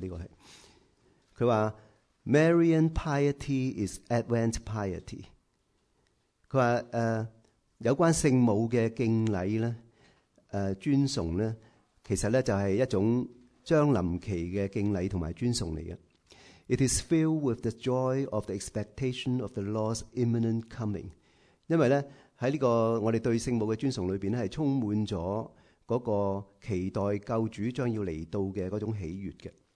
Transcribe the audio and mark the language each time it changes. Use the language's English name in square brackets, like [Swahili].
[Chinese] 这个是他说 [English] Marian piety is Advent piety。 [Chinese] 他说有关圣母的敬礼呢，尊崇呢，其实呢就是一种张林期的敬礼和尊崇来的。 [English] It is filled with the joy of the expectation of the Lord's imminent coming。 [Chinese] 因为呢在这个我们对圣母的尊崇里面是充满了那个期待救主将要来到的那种喜悦的。